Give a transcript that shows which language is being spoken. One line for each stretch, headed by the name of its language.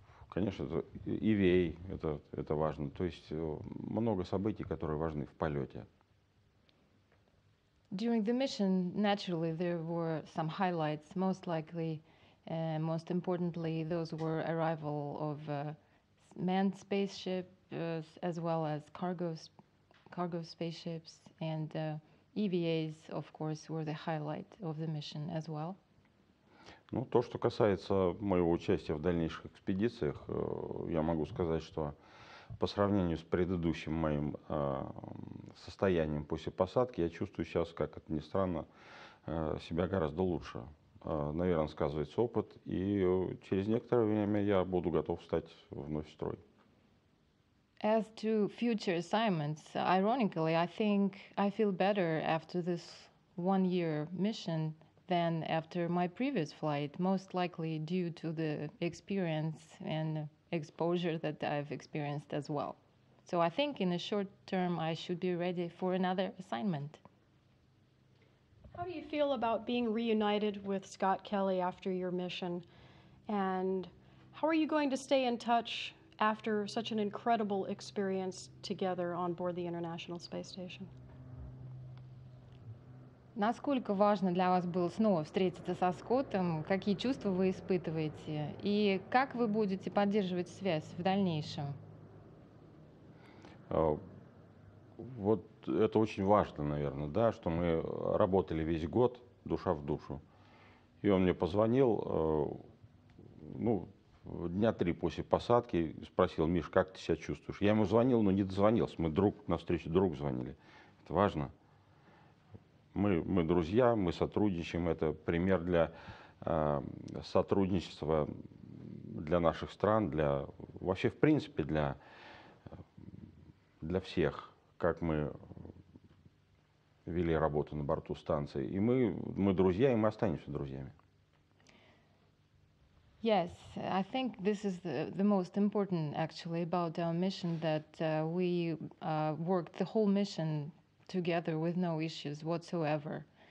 Russian: Конечно, это EVA, это важно. То есть много событий, которые важны в полете.
English: During the mission, naturally, there were some highlights. Most likely, most importantly, those were arrival of manned spaceship, as well as cargo spaceships. And EVAs, of course, were the highlight of the mission as well.
Russian: Ну, то, что касается моего участия в дальнейших экспедициях, я могу сказать, что по сравнению с предыдущим моим состоянием после посадки, я чувствую сейчас, как это ни странно, себя гораздо лучше. Наверное, сказывается опыт, и через некоторое время я буду готов встать вновь в строй.
English: As to future assignments, ironically, I think I feel better after this one-year mission than after my previous flight, most likely due to the experience and exposure that I've experienced as well. So I think in the short term, I should be ready for another assignment. How do you feel about being reunited with Scott Kelly after your mission? And how are you going to stay in touch after such an incredible experience together on board the International Space Station?
Russian: Насколько важно для вас было снова встретиться со Скоттом? Какие чувства вы испытываете? И как вы будете поддерживать связь в дальнейшем? Вот это очень важно, наверное, да, что мы работали весь год душа в душу. И он мне позвонил, ну, дня три после посадки, спросил: «Миш, как ты себя чувствуешь?» Я ему звонил, но не дозвонился. Мы друг на встречу друг звонили. Это важно. Мы друзья, мы сотрудничаем, это пример для сотрудничества для наших стран, для вообще в принципе для всех, как мы вели работу на борту станции. И мы друзья, и мы останемся друзьями.
English: Yes, I think this is the most important, actually, about our mission, that we worked the whole mission together with no issues whatsoever.